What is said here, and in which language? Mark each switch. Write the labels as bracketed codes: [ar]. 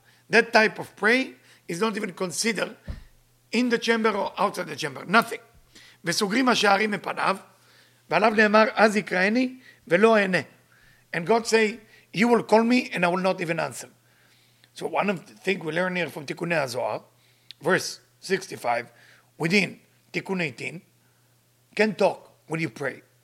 [en] That type of pray is not even considered in the chamber or outside the chamber. Nothing. [he] וסוגרים השערים מפניו, ועליו נאמר, אז יקראני ולא ענה. [en] And God say, you will call me and I will not even answer. So one of the things we learn here from Tikkuni HaZohar, verse 65, within Tikkun 18, can talk when you pray.